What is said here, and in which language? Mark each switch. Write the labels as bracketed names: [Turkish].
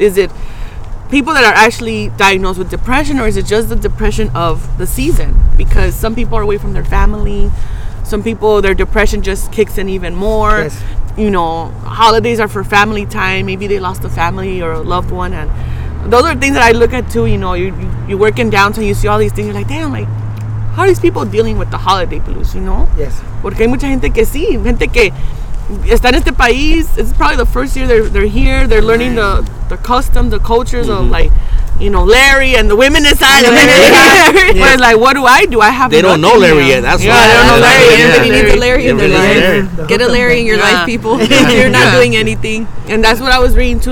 [English] Is it people that are actually diagnosed with depression, or is it just the depression of the season because some people are away from their family, some people their depression just kicks in even more? Yes. You know, holidays are for family time, maybe they lost a family or a loved one, and those are things that I look at too. You know, you're working downtown, you see all these things, you're like, damn, like, how are these people dealing with the holiday blues, you know? Yes. [Spanish] Porque hay mucha gente que sí, gente que está en este país. [English] It's probably the first year they're here. They're learning the customs, the cultures of, like, you know, Larry and the women inside. But it's like, what do I do? I have They don't know Larry yet. That's why. Yeah, they don't know Larry. Everybody needs a Larry in their life. Get a Larry in your life, people. You're not doing anything. And that's what I was reading too.